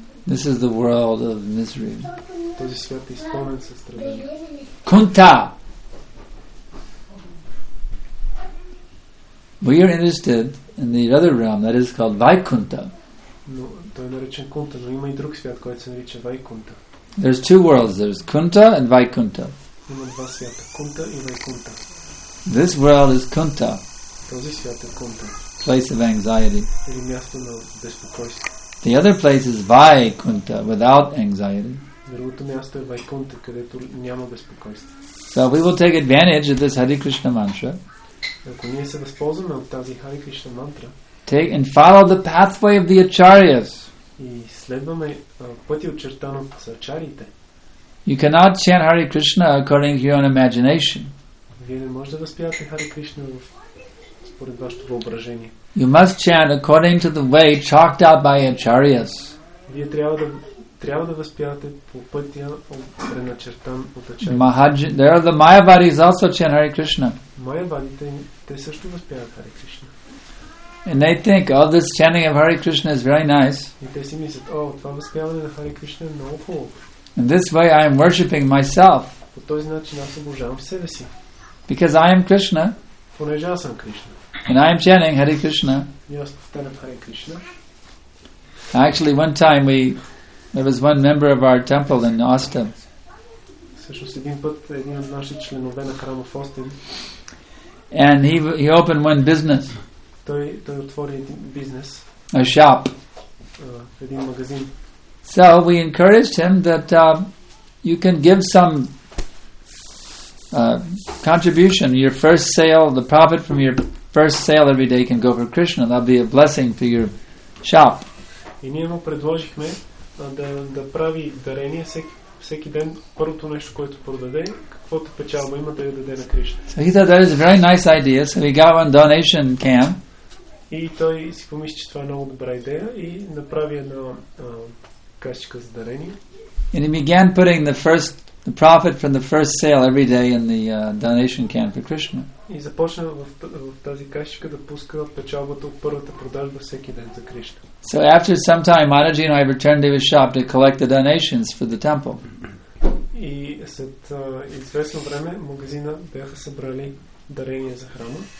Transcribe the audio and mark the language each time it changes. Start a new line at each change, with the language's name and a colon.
English: This is the world of misery.
Bulgarian: Този свят е изпълнен със страдания. Кунта!
English: We are interested in the other realm that is called Vaikuntha. No,
Bulgarian: той е наречен Кунта, но има и друг свят, който се нарича Вайкунта.
English: There's two worlds, there's Kunta and Vaikuntha.
Bulgarian: Има два свята, Кунта и Вайкунта.
English: This world is Kunta.
Bulgarian: Този свят е Кунта.
English: Place of anxiety.
Bulgarian: Или място на безпокойство.
English: The other place is Vaikuntha, without anxiety.
Bulgarian: Другото място е Вайкунта, където няма безпокойство.
English: So we will take advantage of this Hare Krishna mantra.
Bulgarian: Ако ние се възползваме от тази Hare Krishna mantra,
English: take and follow the pathway of the acharyas.
Bulgarian: И следваме пътя очертан от ачарите.
English: You cannot chant Hare Krishna according to your own imagination.
Bulgarian: Вие не можете да възпявате Hare Krishna според вашето въображение.
English: You must chant according to the way chalked out by acharyas.
Bulgarian: Вие трябва да възпявате по пътя предначертан от ачарите.
English: There are the Mayavadis also chant Hare Krishna.
Bulgarian: Майявадите, те също възпяват Хари Кришна.
English: And they think, oh, this chanting of Hare Krishna is very nice.
Bulgarian: И те си мислят, о, това възпяване на Хари Кришна е много хубаво.
English: In this way I am worshipping myself.
Bulgarian: По този начин аз обожавам себе си.
English: Because I am Krishna.
Bulgarian: Понеже аз съм Кришна.
English: And I am chanting Hare Krishna.
Bulgarian: И аз повтарям Хари Кришна.
English: Actually, one time there was one member of our temple in Austin.
Bulgarian: Всъщност един път един от нашите членове на храма в Остин.
English: And he opened one business.
Bulgarian: Той отвори един бизнес.
English: A shop.
Bulgarian: Един магазин.
English: So we encouraged him that you can give some contribution. Your first sale, the profit from your first sale every day can go for Krishna. That'll be a blessing for your shop.
Bulgarian: И ние му предложихме да прави дарение всеки ден, първото нещо, което продаде, каквото печалба има да я даде на Кришна.
English: So he thought that is a very nice idea, so he got one donation can.
Bulgarian: И той си помисли, че това е много добра идея и направи една касичка за дарение.
English: And he began putting the profit from the first sale every day in the donation can for Krishna.
Bulgarian: И започна в тази касичка да пуска печалбата от първата продажба всеки ден за Кришна.
English: So after some time, Mataji and I returned to his shop to collect the donations for the temple.
Bulgarian: И след известно време магазина бяха събрали дарения за храма.